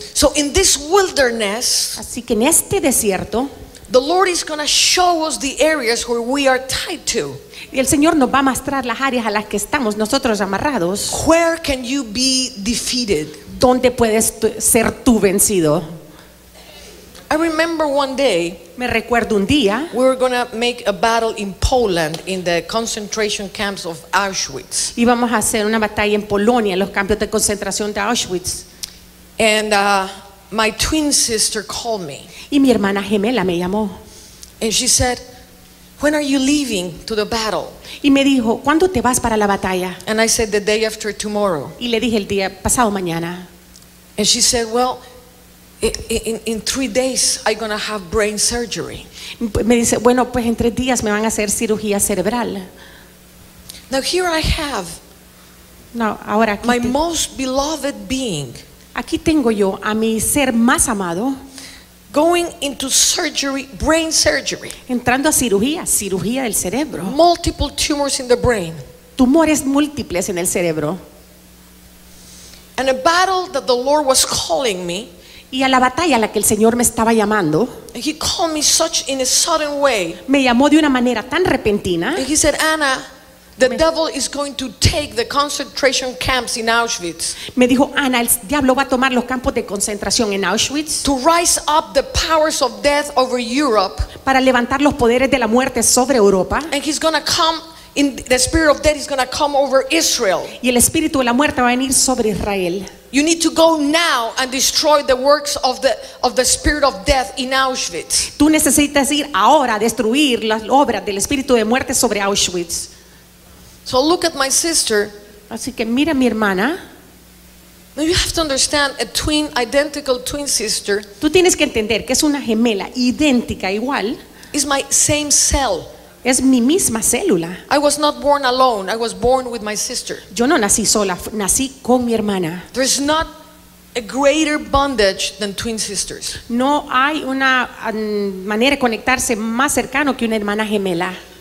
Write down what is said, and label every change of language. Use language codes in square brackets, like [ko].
[en] So in this wilderness, [es] así que en este desierto, [en] the Lord is going to show us the areas where we are tied to. [es] Y el Señor nos va a mostrar las áreas a las que estamos nosotros amarrados. [en] Where can you be defeated? [es] ¿Dónde puedes ser tú vencido? [en] I remember one day, [es] me recuerdo un día, [en] we were going to make a battle in Poland in the concentration camps of Auschwitz. [es] Íbamos a hacer una batalla en Polonia, en los campos de concentración de Auschwitz. [en] And my twin sister called me. [es] Y mi hermana gemela me llamó. [en] And she said, "When are you leaving to the battle?" [es] Y me dijo, "¿Cuándo te vas para la batalla?" [en] And I said, "The day after tomorrow." [es] Y le dije, "El día pasado mañana." [en] And she said, "Well, in 3 days I'm going to have brain surgery." [es] Me dice, "Bueno, pues en 3 días me van a hacer cirugía cerebral." [en] Now here I have. [es] No, ahora aquí [en] my most beloved being. [es] Aquí tengo yo a mi ser más amado. [en] Going into surgery, brain surgery. [es] Entrando a cirugía, cirugía del cerebro. [en] Multiple tumors in the brain. [es] Tumores múltiples en el cerebro. [en] And a battle that the Lord was calling me. [es] Y a la batalla a la que el Señor me estaba llamando. [en] He called me such in a sudden way. [es] Me llamó de una manera tan repentina. [en] And he said, "Anna, the devil is going to take the concentration camps in Auschwitz." [es] Me dijo, "Ana, el diablo va a tomar los campos de concentración en Auschwitz." [en] "To rise up the powers of death over Europe." [es] Para levantar los poderes de la muerte sobre Europa. [en] "And he's going to come in the spirit of death is going to come over Israel." [es] Y el espíritu de la muerte va a venir sobre Israel. [en] "You need to go now and destroy the works of the spirit of death in Auschwitz." [es] Tú necesitas ir ahora a destruir las obras del espíritu de muerte sobre Auschwitz. [en] So look at my sister. [es] Así que mira a mi hermana. [en] Now you have to understand a twin, identical twin sister. [es] Tú tienes que entender que es una gemela idéntica, igual. [en] Is my same cell. [es] Es mi misma célula. [en] I was not born alone. I was born with my sister. [es] Yo no nací sola. Nací con mi hermana. [en] There is not a greater bondage than twin sisters. [es] No hay una manera de conectarse más cercano que una hermana gemela.